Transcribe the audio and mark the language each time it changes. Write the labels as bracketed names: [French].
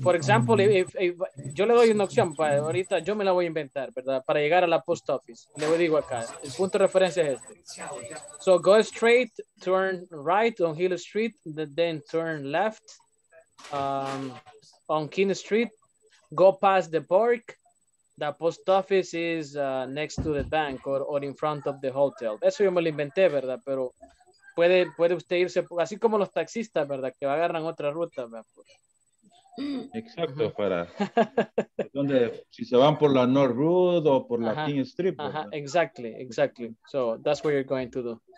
[English] For example, if [Spanish] yo le doy una opción, para ahorita yo me la voy a inventar, ¿verdad? Para llegar a la post office. Le voy a decir acá, el punto de referencia es este. [English] So go straight, turn right on Hill Street, then turn left on King Street, go past the park. The post office is next to the bank or in front of the hotel. [Spanish] Eso yo me lo inventé, ¿verdad? Pero puede usted irse, así como los taxistas, ¿verdad? Que agarran otra ruta, ¿verdad? Exacto, para donde, si se van por la North Route o por la King Street. [English] Ajá, exactly. So, that's what you're going to do.